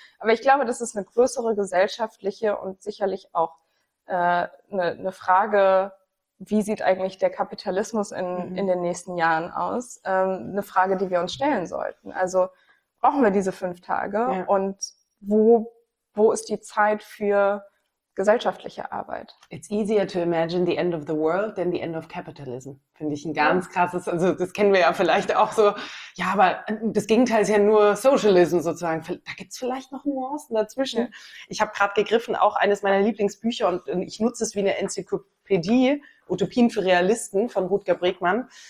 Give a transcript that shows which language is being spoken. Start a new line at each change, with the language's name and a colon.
German: Aber ich glaube, das ist eine größere gesellschaftliche und sicherlich auch eine Frage, wie sieht eigentlich der Kapitalismus in den nächsten Jahren aus? Eine Frage, die wir uns stellen sollten. Also brauchen wir diese 5 Tage? Ja. Und wo ist die Zeit für gesellschaftliche Arbeit?
English: It's easier to imagine the end of the world than the end of capitalism.
German: Finde ich ein ganz krasses, also das kennen wir ja vielleicht auch so. Ja, aber das Gegenteil ist ja nur Socialism sozusagen. Da gibt es vielleicht noch Nuancen dazwischen. Ja. Ich habe gerade gegriffen, auch eines meiner Lieblingsbücher und ich nutze es wie eine Enzyklopädie, Utopien für Realisten von Rutger Bregmann.